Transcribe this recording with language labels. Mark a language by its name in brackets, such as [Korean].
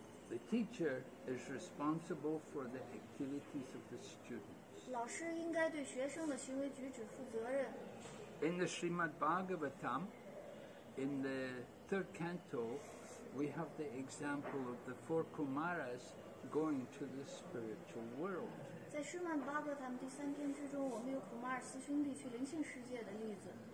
[English] The teacher is responsible for the activities of the students. [Chinese] 老师应该对学生的行为举止负责任。 [English] In the Srimad Bhagavatam, in the third canto, we have the example of the four Kumaras going to the spiritual world. [Chinese] 在Srimad Bhagavatam第三篇之中，我们有Kumaras兄弟去灵性世界的例子。